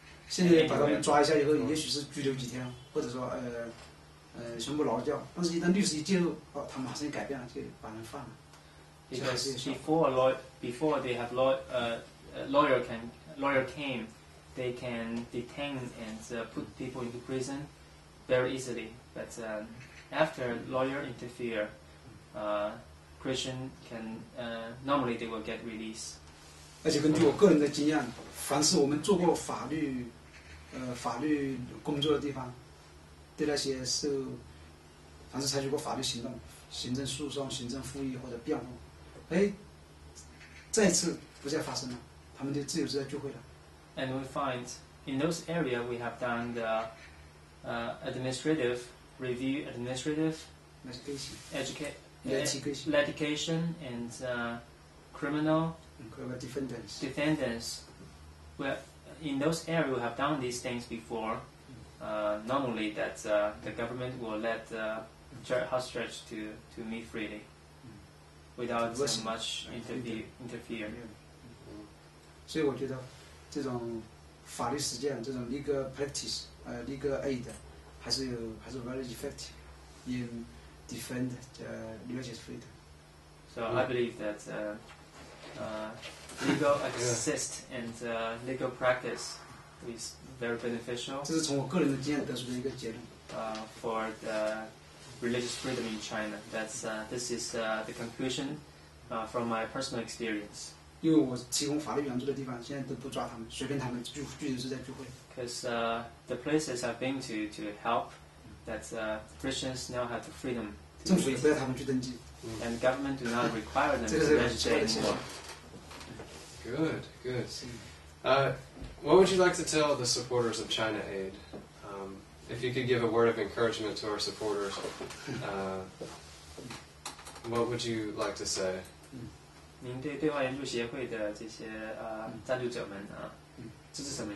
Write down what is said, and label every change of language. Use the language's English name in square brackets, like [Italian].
[Chinese] 现在把他们抓一下以后，也许是拘留几天，或者说全部劳教。但是，一旦律师一介入，他马上改变了，就把人放了。 [English] Because before a lawyer came, they can detain and put people into prison very easily, but. After lawyer interfere, Christian can normally they will get released. [Chinese] 而且根据我个人的经验，凡是我们做过法律法律工作的地方，对那些是凡是采取过法律行动，行政诉讼、行政复议或者辩护，哎，再次不再发生了，他们就自由自在聚会了。 [English] And we find in those areas we have done the administrative review, administrative education, and criminal defendants. Defendants. Well, in those areas we have done these things before. Normally, that the government will let the hostage to meet freely without so much interfere. So I think this kind of law practice, this legal practice, legal aid, is very effective in defend religious freedom. So I believe that legal assist and legal practice is very beneficial. [Chinese] 这是从我个人的经验得出的一个结论。 [English] For the religious freedom in China, that's this is the conclusion from my personal experience. [Chinese] 因为我提供法律援助的地方，现在都不抓他们，随便他们聚聚的是在聚会。 [English] Because the places I've been to help, that Christians now have the freedom. [Chinese] 政府也不要他们去登记。 [English] And government do not require them to register anymore. Good, good. What would you like to tell the supporters of China Aid? If you could give a word of encouragement to our supporters, what would you like to say? [Chinese] 您对对话援助协会的这些赞助者们啊，这是什么？